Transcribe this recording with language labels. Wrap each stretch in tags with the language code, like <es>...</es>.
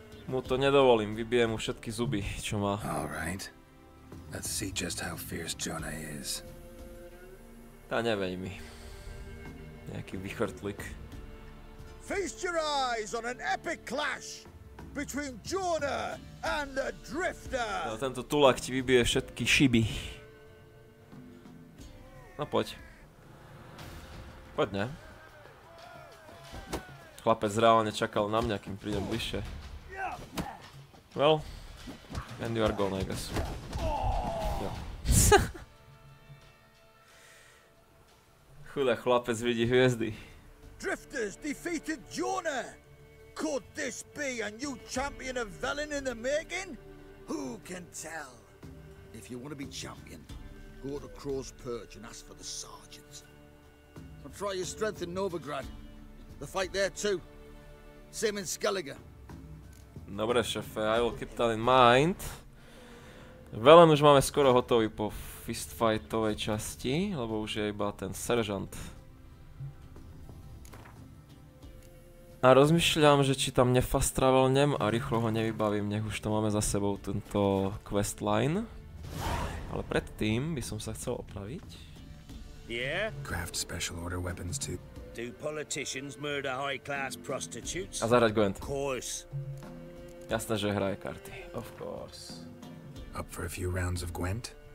<sk>Mu to nedovolím, vybije mu všetky zuby, čo má.</sk> <en>Alright. Let's see just how fierce Jonah is.</en> <sk>Tá neveľmi. Nejaký vychrtlik.</sk> <en>Feast your eyes on an epic clash between Jonah and the Drifter.</en> <sk>No, tento tulak ti vybije všetky šiby. No poď. Poď, ne? Chlapec reálne čakal na mňa, kým prídem bližšie.</sk> <en>Well, and you are gone, I guess. Jo.</en> <sk>Chudá chlapec vidí hviezdy.</sk> <en>Drifters defeated Jonah. Could this be a new champion of Velen in the making? Who can tell? If you want to be champion, go to Crow's Perch and ask for the sergeant. I'll try your strength in Novigrad. The fight there too. Same in Skellige.</en> <sk>Dobre, šefe,</sk> <en>I will keep that in mind.</en> <sk>Velen už máme skoro hotový po fistfightovej časti, lebo už je iba ten seržant. A rozmýšľam, že či tam nefast travelnem a rýchlo ho nevybavím, nech už to máme za sebou, tento questline. Ale predtým by som sa chcel opraviť.</sk> <en>Yeah? Craft special order weapons to... Do politicians murder high class prostitutes?</en> <sk>A zahrať Gwent.</sk> <en>Of course.</en> <sk>Jasné, že hraje karty.</sk> <en>Of course. Up for a few rounds of Gwent?</en>